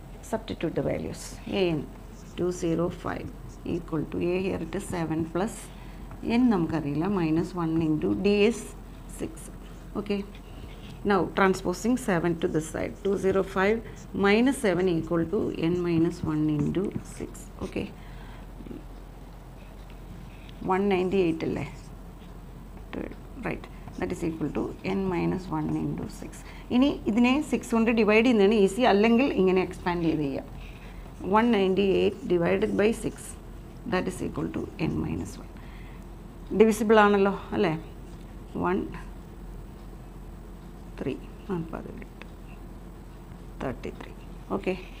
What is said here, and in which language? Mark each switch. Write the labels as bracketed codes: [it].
[en] substitute values a n 205 equal to a here it 7 plus n [ml] നമുക്കറിയില്ല [en] minus one into d s 6 okay now transposing 7 to this side 205 minus 7 equal to n minus one into 6 okay 198 [ml] അല്ലേ [en] Right that is equal to n minus 1 into 6. [ml] ഇനി ഇതിനെ 6 കൊണ്ട് divide ചെയ്യുന്നതിന് easy അല്ലെങ്കിൽ ഇങ്ങനെ expand ചെയ്ത് ചെയ്യാം. [en] 198 divided by 6 that is equal to n minus 1. [ml] Divisible ആണല്ലോ അല്ലേ. 133 ഓക്കെ.